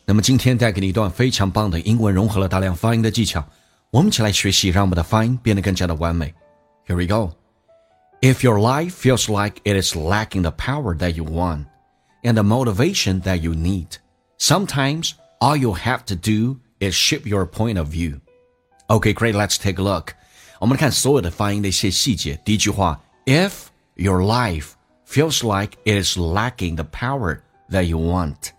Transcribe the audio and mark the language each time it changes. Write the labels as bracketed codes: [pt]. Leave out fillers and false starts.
[zh] 那么今天带给你一段非常棒的英文，融合了大量发音的技巧，我们一起来学习，让我们的发音变得更加的完美。 [en] Here we go. If your life feels like it is lacking the power that you want and the motivation that you need, sometimes all you have to do is shift your point of view. Okay, great, let's take a look. [zh] 我们来看所有的发音的一些细节。第一句话， [en] If your lifefeels like it is lacking the power that you want.